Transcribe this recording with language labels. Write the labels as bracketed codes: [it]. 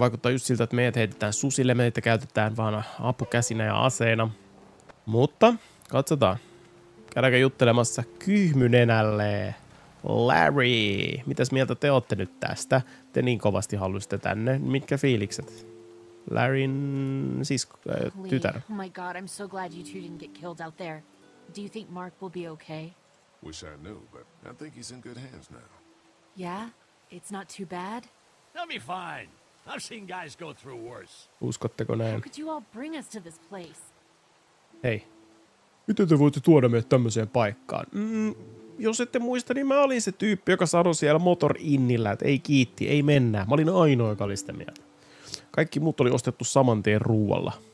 [fi] Vaikuttaa just siltä, että meidät heitetään susille. Meitä käytetään vaan apukäsinä ja aseena. Mutta katsotaan. Käydäänkö juttelemassa kyhmynenälle. Larry, mitäs mieltä te olette nyt tästä? Te niin kovasti halusitte tänne. Mitkä fiilikset? Larryn sisko, tytär. [en] Oh my god, I'm so glad you two didn't get killed out there. Do you think Mark will be okay? Wish I knew, but I think he's in good hands now. Yeah? It's not too bad? He'll be fine. I've seen guys go through worse. [fi] Uskotteko näin? [en] How could you all bring us to this place? [fi] Hei. Miten te voitte tuoda meidät tämmöiseen paikkaan? Jos ette muista, niin mä olin se tyyppi, joka sanoi siellä motorinnillä, että ei kiitti, ei mennä. Mä olin ainoa, joka oli sitä mieltä. Kaikki muut oli ostettu saman tien ruualla.